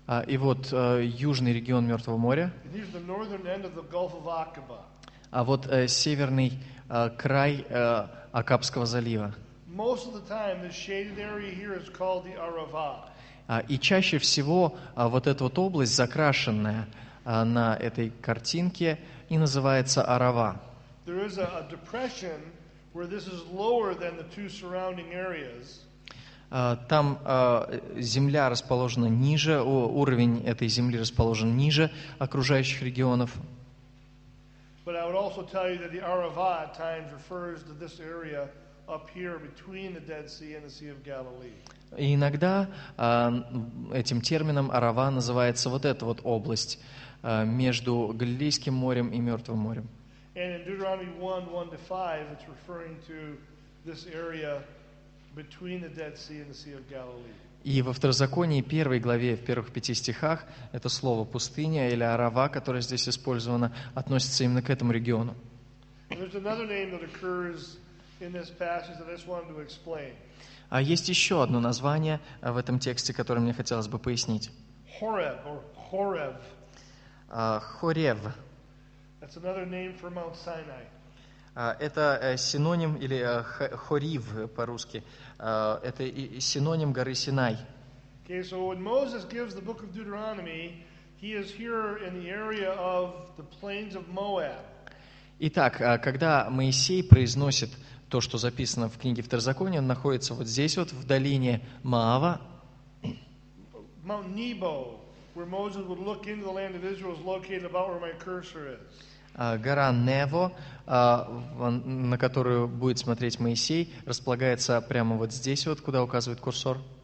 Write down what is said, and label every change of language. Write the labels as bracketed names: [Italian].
[Russian] И вот южный регион Мертвого моря. [English] And here's the northern end of the Gulf of Aqaba. [Russian] А вот северный край Акабского залива. [English] Most of the time, the shaded area here is called the Arava. [Russian] И чаще всего вот эта вот область, закрашенная на этой картинке, и называется Арава. [English] There is a depression where this is lower than the two surrounding areas. [Russian] Там земля расположена ниже, уровень этой земли расположен ниже окружающих регионов. [English] But I would also tell you that the Arava at times refers to this area up here between the Dead Sea and the Sea of Galilee. [Russian] И иногда этим термином Арава называется вот эта вот область между Галилейским морем и Мертвым морем. [English] And in Deuteronomy 1:1-5, it's referring to this area between the Dead Sea and the Sea of Galilee. [Russian] И во Второзаконии, первой главе, в первых пяти стихах, это слово «пустыня» или «арава», которое здесь использовано, относится именно к этому региону. А есть еще одно название в этом тексте, которое мне хотелось бы пояснить. Хорев. Хорев. Хорев. [English] That's another name for Mount Sinai. [Russian] Это синоним, или хорив по-русски, это синоним горы Синай. [English] Okay, so when Moses gives the book of Deuteronomy, he is here in the area of the plains of Moab. [Russian] Итак, когда Моисей произносит то, что записано в книге Второзакония, он находится вот здесь вот, в долине Моава. [English] Mount Nebo, where Moses would look into the land of Israel, is located about where my cursor is. [Russian] Гора Нево, на которую будет смотреть Моисей, располагается прямо вот здесь, вот, куда указывает курсор.